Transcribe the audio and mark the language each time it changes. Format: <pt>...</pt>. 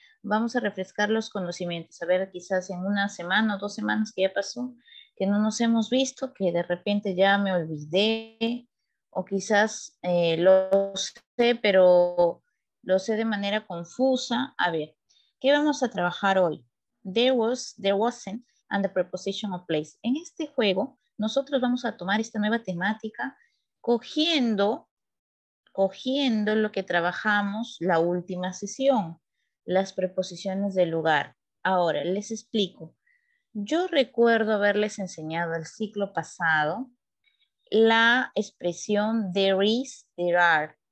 <es>Vamos a refrescar los conocimientos, a ver, quizás en una semana o dos semanas que ya pasó, que no nos hemos visto, que de repente ya me olvidé, o quizás lo sé, pero lo sé de manera confusa. A ver, ¿qué vamos a trabajar hoy?</es> <en>There was, there wasn't, and the preposition of place.</en> <es>En este juego, nosotros vamos a tomar esta nueva temática cogiendo lo que trabajamos la última sesión, las preposiciones de lugar. Ahora, les explico. Yo recuerdo haberles enseñado el ciclo pasado la expresión</es> <en>there is, there are.</en>